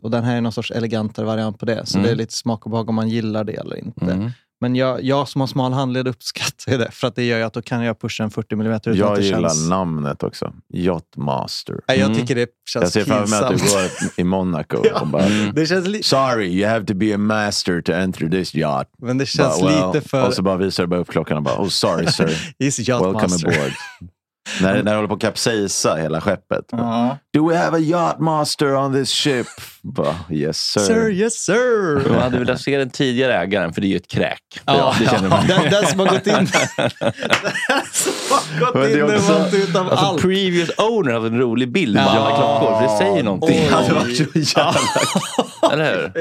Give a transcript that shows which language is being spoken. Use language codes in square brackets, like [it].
[sv] Och den här är någon sorts elegantare variant på det. Så det är lite smak och behag om man gillar det eller inte. Men jag som har smal handled uppskattar det. För att det gör att då kan jag pusha en 40 mm. Jag gillar namnet också. Yachtmaster. Jag tycker det känns pinsamt. Jag ser fram emot att du går i Monaco. Ja, och bara, det känns li- [en] sorry, you have to be a master to enter this yacht. [sv] Men det känns but, lite well, för... Och så bara visar du upp klockan och bara, [en] oh sorry sir. He's a yacht welcome master. Aboard. [sv] när du håller på att kapsaisa hela skeppet. Uh-huh. [en] Do we have a yacht master on this ship? Yes sir. Sir, yes sir. [sv] Jag hade velat se den tidigare ägaren, för det är ju ett kräk. Den som har gått in. Den som har gått in. Det alltså, allt. [en] Previous owner [sv] hade en rolig bild. Klockor, för det säger någonting. Det hade varit så jävla. Eller hur?